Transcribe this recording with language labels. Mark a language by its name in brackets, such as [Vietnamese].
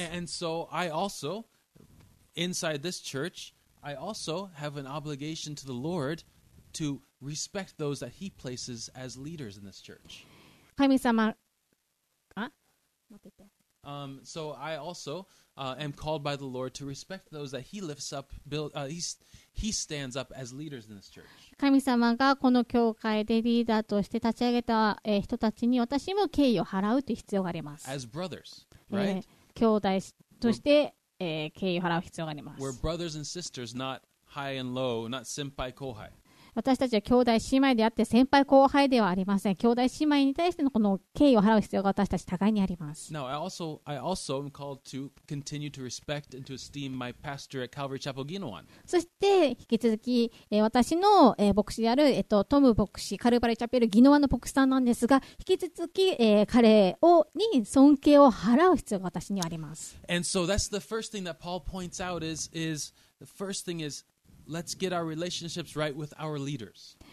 [English] And so I also, inside this church, I also have an obligation to the Lord to respect those that he places as leaders in this church. [Japanese] 神様、あ、待ってて、 [English] So I also am called by the Lord to respect those that He lifts up, build, He stands up as leaders in this church. [Japanese] 神様がこの教会でリーダーとして立ち上げた人たちに私も敬意を払うという必要があります。 [English] As brothers, right? [Japanese] 兄弟として敬意を払う必要があります。 [English] We're brothers and sisters, not high and low, not [Japanese] 先輩後輩。私たちは兄弟姉妹であって先輩後輩ではありません。兄弟姉妹に対してのこの敬意を払う必要が私たち互いにあります。 [English] Now, I also am called to continue to respect and to esteem my pastor at Calvary Chapel Ginawan. [Japanese] そして引き続き私の牧師であるトム牧師、カルバリチャペルギノワの牧師さんなんですが、引き続き彼をに尊敬を払う必要が私にはあります。 [English] And so that's the first thing that Paul points out is the first thing is. Let's get our relationships right with our leaders.